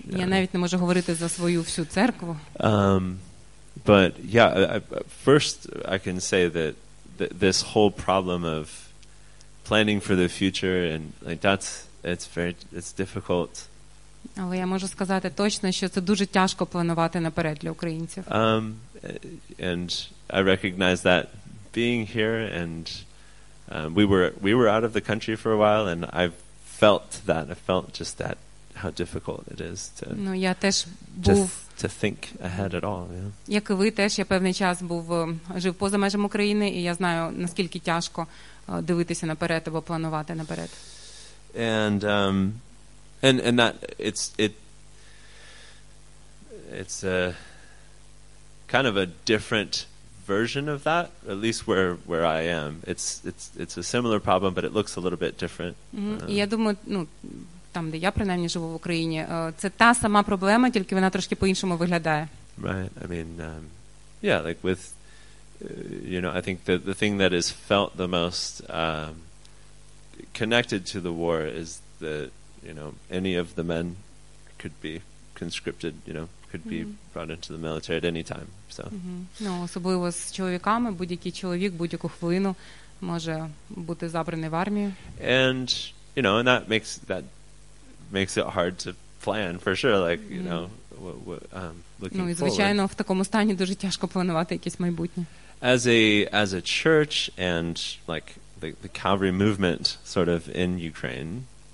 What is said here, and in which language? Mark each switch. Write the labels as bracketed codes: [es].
[uk] Я навіть не можу говорити за свою всю церкву. [en] But yeah, first I can say that this whole problem of planning for the future and like that's it's difficult. [uk] Але я можу сказати точно, що це дуже тяжко планувати наперед для українців. [en] And I recognize that being here and we were out of the country for a while and I felt just that how difficult it is to [uk] Ну я теж був [en] to think ahead at all, yeah. [uk] Як і ви теж, я певний час був жив поза межами України і я знаю, наскільки тяжко дивитися наперед або планувати наперед. [en] And that it's a kind of a different version of that, at least where I am. It's a similar problem, but it looks a little bit different. [uk] Я думаю, ну, там, де я принаймні живу в Україні, це та сама проблема, тільки вона трошки по-іншому виглядає. [en] Right. I mean, yeah, like with you know, I think the thing that is felt the most connected to the war is that, you know, any of the men could be conscripted, you know, could be brought into the military at any time. So. [uk] Ну, особливо з чоловіками, будь-який чоловік будь-яку хвилину може бути забраний в армію. [en] And, you know, and that makes it hard to plan for sure, like, you know, looking forward. [uk] Ну, звичайно, в такому стані дуже тяжко планувати якесь майбутнє. [en] As a church and like the Calvary movement sort of in Ukraine.